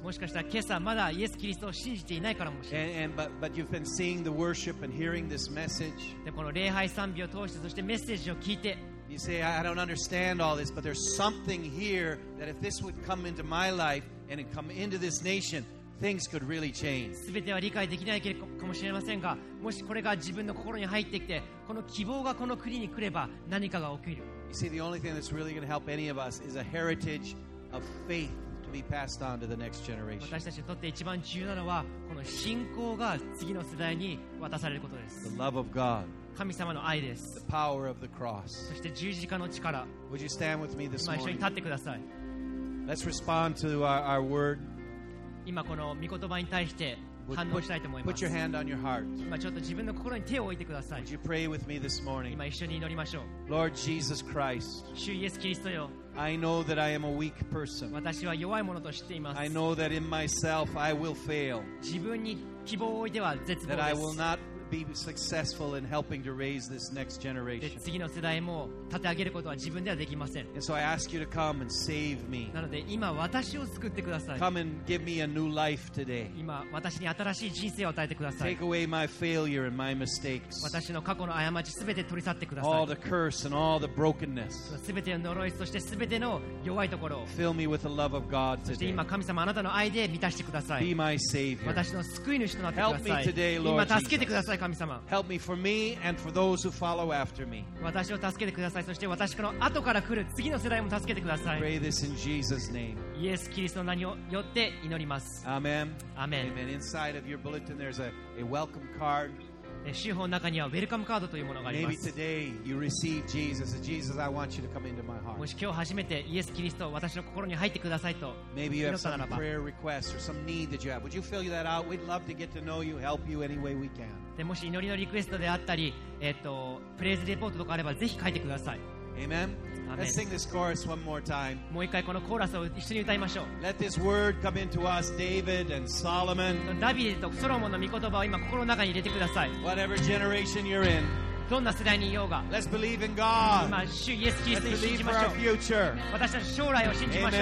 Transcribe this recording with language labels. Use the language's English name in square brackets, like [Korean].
[Japanese] もしかしたら今朝まだイエス・キリストを信じていないからもしれない。 [English] But you've been seeing the worship and hearing this message. [Japanese] でこの礼拝賛美を通してそしてメッセージを聞いて、 [English] You say, I don't understand all this, but there's something here that if this would come into my life and it come into this nation, things could really change. [Japanese] 全ては理解できないかもしれませんが、もしこれが自分の心に入ってきて、この希望がこの国に来れば何かが起きる。 [English] You see, the only thing that's really going to help any of us is a heritage of faith to be passed on to the next generation. [Japanese] 私たちにとって一番重要なのはこの信仰が次の世代に渡されることです。 [English] The love of God. [Japanese] 神様の愛です。 [English] The power of the cross. [Japanese] そして十字架の力。 [English] Would you stand with me this morning? [Japanese] 今一緒に立ってください。 [English] Let's respond to our word. [Japanese] 今この御言葉に対して反応したいと思います。 [English] Put your hand on your heart. [Japanese] 今ちょっと自分の心に手を置いてください。 [English] Would you pray with me this morning? [Japanese] 今一緒に祈りましょう。 [English] Lord Jesus Christ. [Japanese] 主イエスキリストよ。 [English] I know that I am a weak person. [Japanese] 私は弱いものと知っています。 [English] I know that in myself I will fail. [Japanese] 自分に希望を置いては絶望です。 [English] That I will not be successful in helping to raise this next generation. [Japanese] 次の世代も立て上げることは自分ではできません。 [English] And so I ask you to come and save me. [Japanese] なので今私を救ってください。 [English] Come and give me a new life today. [Japanese] 今私に新しい人生を与えてください。 [English] Take away my failure and my mistakes. [Japanese] 私の過去の過ちすべて取り去ってください。 [English] All the curse and all the brokenness. [Japanese] すべての呪い、そしてすべての弱いところを。 [English] Fill me with the love of God today. [Japanese] そして今神様あなたの愛で満たしてください。 [English] Be my savior. [Japanese] 私の救い主となってください。 [English] Help me today, Lord Jesus. [Japanese] 今助けてください。 [English] Help me for me and for those who follow after me. [Japanese] 私を助けてください。そして私の後から来る次の世代も助けてください。 [English] Pray this in Jesus' name. [Japanese] イエス・キリストの名によって祈ります。 [English] Amen. Amen. Amen. Inside of your bulletin there's a welcome card. [Japanese] 集報の中にはウェルカムカードというものがあります。 [English] Maybe today you receive Jesus. Jesus, I want you to come into my heart. [Japanese] もし今日初めてイエス・キリストを私の心に入ってくださいと祈ったならば、 [English] Maybe you have some prayer request or some need that you have. Would you fill that out? We'd love to get to know you, help you any way we can. [Japanese] でもし祈りのリクエストであったり、プレイズレポートとかあればぜひ書いてください。 [English] Amen. Let's sing this chorus one more time. [Japanese] もう一回このコーラスを一緒に歌いましょう。 [English] Let this word come into us, David and Solomon. [Japanese] ダビデとソロモンの御言葉を今心の中に入れてください。 [English] Whatever generation you're in. [Japanese] どんな世代にいようが [English] Let's believe in God. [Japanese] 今主イエスキリストに信じましょう。私たち将来を信じましょう。